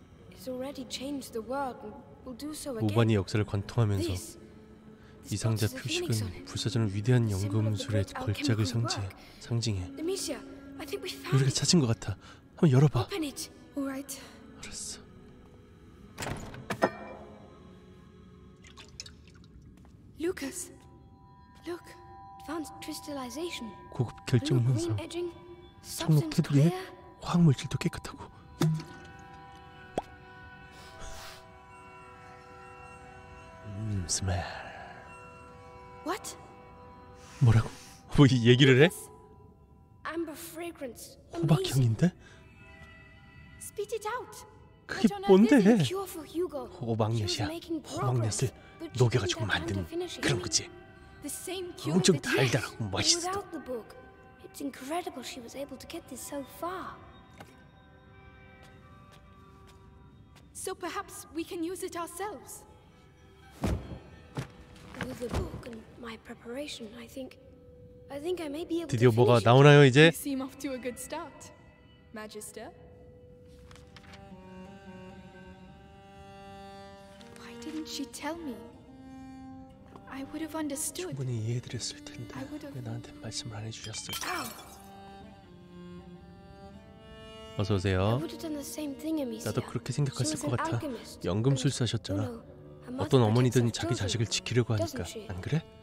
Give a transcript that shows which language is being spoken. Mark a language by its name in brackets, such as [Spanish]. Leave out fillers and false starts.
[English] It's already changed the world and will do so again. [Korean] 오반이 역사를 관통하면서 이 상자 표식은 불사전을 위대한 연금술의 걸작을 상징해. 우리가 찾은 것 같아. 한번 열어봐. [English] Open it. All right. [Korean] 알았어. [English] 루카스, look. Advanced crystallization. [Korean] 고급 결정 현상. 청록 테두리에 화학 물질도 깨끗하고. [English] smell. What? [Korean] 뭐라고? 뭐 얘기를 해? [English] Amber fragrance. [Korean] 호박향인데? [English] Spit it out. [Korean] 그게 뭔데? 호박엿이야. 호박엿을 녹여가지고 만든 그런 거지. 엄청 달달하고 맛있어. [English] It's incredible she was able to get this so far. So perhaps we can use it ourselves. With the book and my preparation, I think I may be able to. [Korean] 드디어 뭐가 나오나요 이제? [English] You seem off to a good start, Magister. Why didn't she tell me? I would have understood. [Korean] 충분히 이해드렸을 텐데 왜 나한테 말씀을 안 해주셨을까? 어서 오세요. 나도 그렇게 생각했을 것 같아. 연금술사셨잖아. 어떤 어머니든 자기 자식을 지키려고 하니까 안 그래?